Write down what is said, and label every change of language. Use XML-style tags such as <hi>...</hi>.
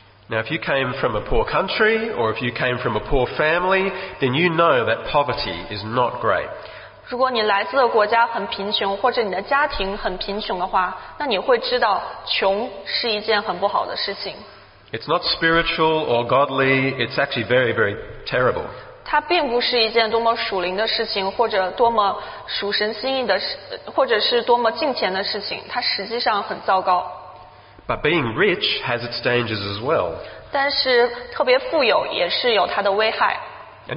<en>Now, if you came from a poor country or if you came from a poor family, then you know that poverty is not great.</en> <zh>如果你来自的国家很贫穷，或者你的家庭很贫穷的话，那你会知道穷是一件很不好的事情。</zh> <en>It's not spiritual or godly. It's actually very, very terrible.</en> <zh>它并不是一件多么属灵的事情，或者多么属神心意的，或者是多么敬虔的事情。它实际上很糟糕。</zh> <en>But being rich has its dangers as well.</en> <zh>但是特别富有也是有它的危害。</zh> <en>And</en>